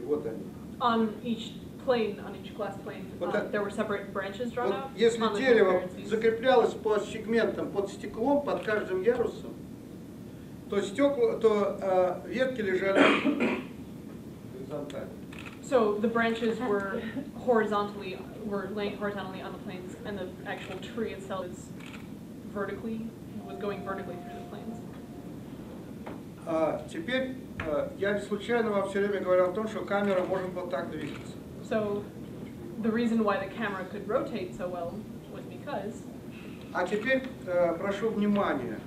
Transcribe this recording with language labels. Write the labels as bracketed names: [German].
[Russian] Вот они. [English] On each plane, on each glass plane, there were separate branches drawn out. [Russian] Вот если дерево закреплялось по сегментам под стеклом, под каждым ярусом, то стекла, то ветки лежали горизонтально. [English] So the branches were horizontally, were laying horizontally on the planes, and the actual tree itself is vertically, was going vertically through the planes. [Russian] Теперь я случайно вам все время говорил о том, что камера может вот так двигаться. [English] So the reason why the camera could rotate so well was because. [Russian] А теперь прошу внимания.